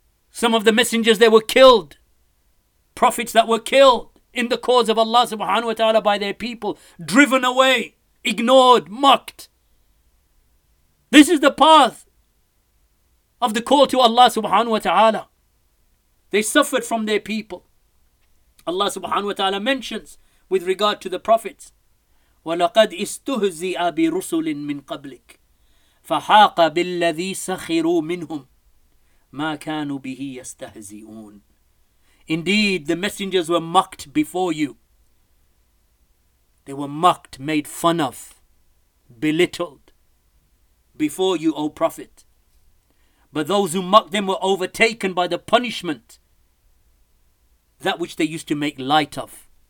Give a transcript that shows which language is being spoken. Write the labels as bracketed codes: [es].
[en] Some of the messengers, they were killed. Prophets that were killed in the cause of Allah subhanahu wa ta'ala by their people, driven away, ignored, mocked. This is the path of the call to Allah subhanahu wa ta'ala. They suffered from their people. Allah subhanahu wa ta'ala mentions with regard to the prophets, [ar] وَلَقَدْ إِسْتُهْزِئَ بِرُسُلٍ مِّن قَبْلِكَ فَحَاقَ بِالَّذِي سَخِرُوا مِنْهُمْ مَا كَانُوا بِهِ يَسْتَهْزِئُونَ. [en] Indeed, the messengers were mocked before you. They were mocked, made fun of, belittled before you, O Prophet. But those who mocked them were overtaken by the punishment, that which they used to make light of.